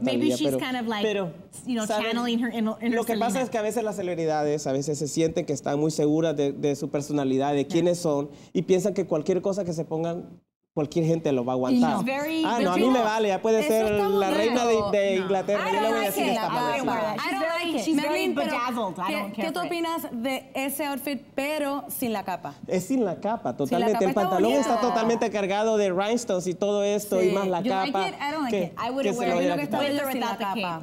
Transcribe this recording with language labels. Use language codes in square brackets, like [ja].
[en] Maybe she's kind of like, you know, channeling her inner Selena. [es] Lo que pasa es que a veces las celebridades, a veces se sienten que están muy seguras de su personalidad, de quiénes son, y piensan que cualquier cosa que se pongan, cualquier gente lo va a aguantar. [en] No. Very, [es] ah, no, a mí me vale. Ya puede ser la reina de Inglaterra. Yo le voy a decir esta palabra. [en] I don't like it. She's very bedazzled. I don't care. [es] ¿Qué tú opinas de ese outfit, pero sin la capa? Es sin la capa, totalmente. El pantalón está totalmente cargado de rhinestones y todo esto, y más la capa. [en] You like it? I don't like it. I would wear it with or without the cape.